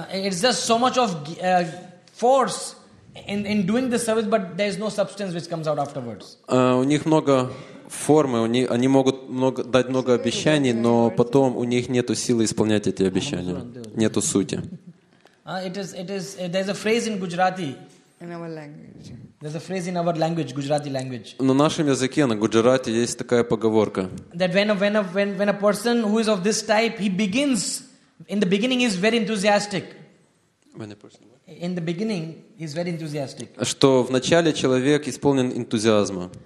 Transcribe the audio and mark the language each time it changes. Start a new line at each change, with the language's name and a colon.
English: It's just so much of force in doing the service, but there is no substance which comes out afterwards.
Russian: У них много формы, они могут много, дать много обещаний, но потом у них нету силы исполнять эти обещания, нету сути.
English: There's a phrase in Gujarati. In our language. There's a phrase in our language, Gujarati language.
Russian: На нашем языке, на Гуджарате, есть такая поговорка.
English: That when a person who is of this type, he begins, in the beginning, is very enthusiastic. When a person. In the beginning, he's very enthusiastic.
Russian: Что в начале человек исполнен энтузиазма.